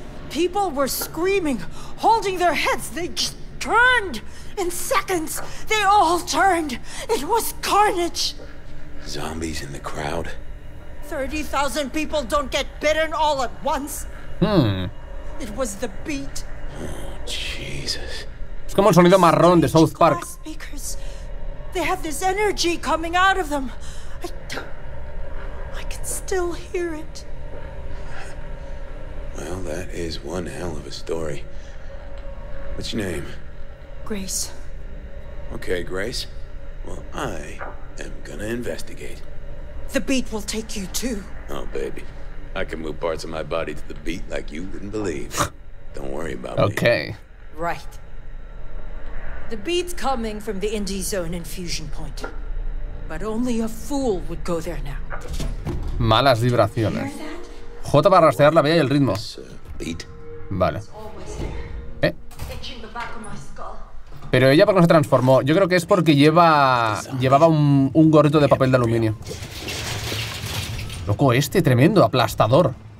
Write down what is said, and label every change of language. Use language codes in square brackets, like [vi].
[en] People were screaming, holding their heads. They just turned in seconds. They all turned. It was carnage. Zombies in the crowd? 30,000 people don't get bitten all at once. Hmm. It was the beat. Oh, Jesus. [es] Es como el sonido marrón de South Park. [en] They have this energy coming out of them. I can still hear it. Well, that is one hell of a story. What's your name? Grace. Okay, Grace. Well, I am gonna investigate. The beat will take you too. Oh, baby. I can move parts of my body to the beat like you wouldn't believe. Don't worry about okay. me. Okay. Right. The beat's coming from the Indie Zone infusion point. But only a fool would go there now. [es] Malas vibraciones. J para rastrear la vía y el ritmo. [en] Beat. [es] Vale. ¿Eh? Pero ella, ¿por qué no se transformó? Yo creo que es porque llevaba un gorrito de papel de aluminio. Loco, este tremendo aplastador.